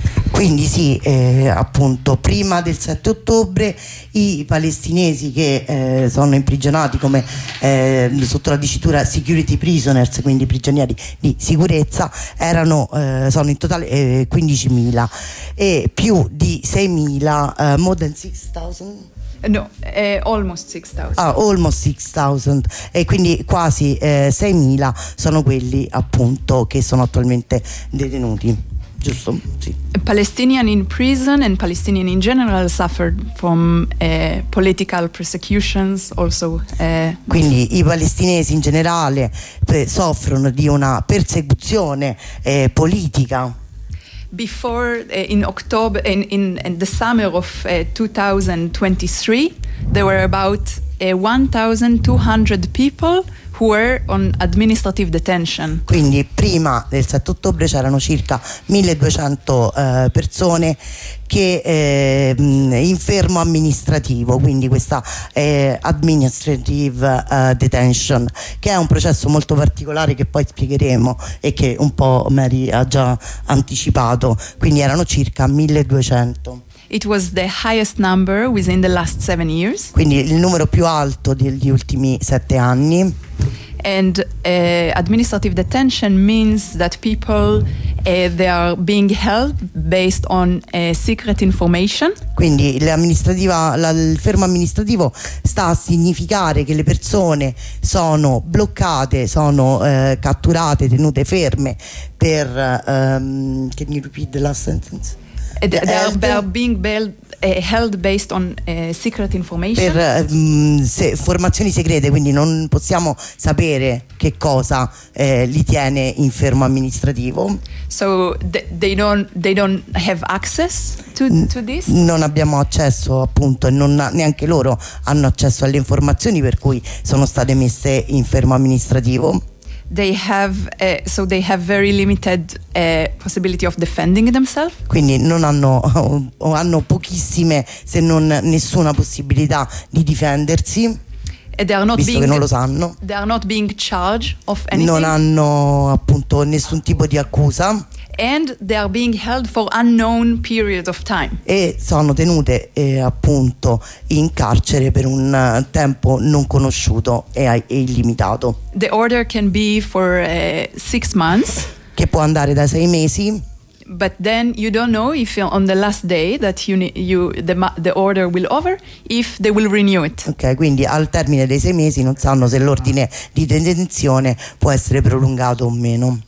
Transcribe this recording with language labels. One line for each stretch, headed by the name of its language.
Italian: Quindi sì, appunto, prima del 7 ottobre i palestinesi che sono imprigionati come sotto la dicitura security prisoners, quindi prigionieri di sicurezza, sono in totale 15.000 e più di 6.000,
English: more than 6.000. Almost 6,000.
Italian: E quindi quasi 6.000 sono quelli appunto che sono attualmente detenuti. Giusto, sì.
English: Palestinian in prison and Palestinian in general suffered from political persecutions also.
Italian: Quindi i palestinesi in generale soffrono di una persecuzione politica.
English: Before in the summer of 2023 there were about 1,200 people who were on administrative detention.
Italian: Quindi prima del 7 ottobre c'erano circa 1200 persone che in fermo amministrativo, quindi questa administrative detention, che è un processo molto particolare che poi spiegheremo e che un po' Mary ha già anticipato, quindi erano circa 1200.
English: It was the highest number within the last 7 years.
Italian: Quindi il numero più alto degli ultimi 7 anni.
English: And administrative detention means that people they are being held based on secret information.
Italian: Quindi il fermo amministrativo sta a significare che le persone sono bloccate, sono catturate, tenute ferme per
English: can you repeat the last sentence? held based on secret information.
Italian: Per formazioni segrete, quindi non possiamo sapere che cosa li tiene in fermo amministrativo.
English: So they don't have access to this.
Italian: Non abbiamo accesso, appunto, e non neanche loro hanno accesso alle informazioni per cui sono state messe in fermo amministrativo.
English: They have very limited possibility of defending themselves.
Italian: Quindi non hanno hanno pochissime, se non nessuna possibilità di difendersi.
English: They are not being charged of anything.
Italian: Non hanno appunto nessun tipo di accusa.
English: And they are being held for unknown periods of time.
Italian: E sono tenute appunto in carcere per un tempo non conosciuto e illimitato.
English: The order can be for 6 months.
Italian: Che può andare da 6 mesi.
English: But then you don't know if on the last day that the order will over, if they will renew it.
Italian: Ok, quindi al termine dei 6 mesi non sanno se l'ordine di detenzione può essere prolungato o meno.